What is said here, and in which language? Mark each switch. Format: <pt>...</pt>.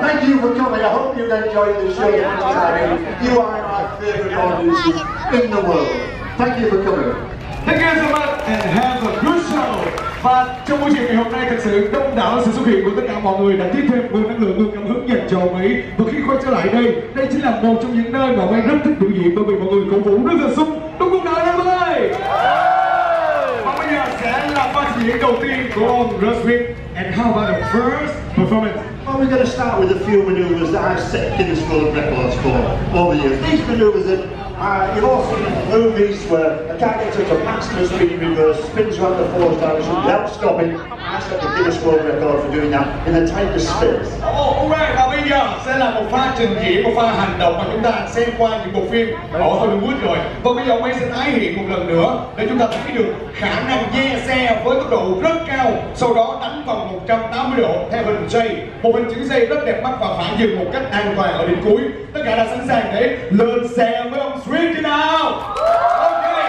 <en>Thank you for coming. I hope you've enjoyed the show. Yeah, you are my favorite audience in the world. Thank you for coming. Thank you so much and have a good show.</en> <vi>Và trong buổi chiều ngày hôm nay thật sự đông đảo sự xuất hiện của tất cả mọi người đã tiếp thêm nguồn năng lượng, nguồn cảm hứng dành cho ông ấy. Và khi quay trở lại đây, đây chính là một trong những nơi mà ông ấy rất thích biểu diễn, bởi vì mọi người cổ vũ rất là sung. Đúng không nào, anh em ơi? Và bây giờ sẽ là phần diễn đầu tiên của ông Rusvik.</vi> <en>And how about the first performance? Well, we're going to start with a few maneuvers that I've set Guinness World Records for over the years. These maneuvers that you've all seen in movies where a guy gets into maximum speed reverse, spins around the force direction without stopping. I set the Guinness World Record for doing that in the tightest spins. Oh, all right.</en> <vi>Now, bây giờ sẽ là một pha trình diễn, một pha hành động mà chúng ta xem qua những bộ phim ở Hollywood rồi. Và bây giờ ông ấy sẽ tái hiện một lần nữa để chúng ta thấy được khả năng dè xe với tốc độ rất cao, sau đó đánh vòng 180 độ theo hình J. Một hình chữ J rất đẹp mắt và phản dừng một cách an toàn ở điểm cuối. Tất cả đã sẵn sàng để lên xe với ông Swift nào. Ok.</vi>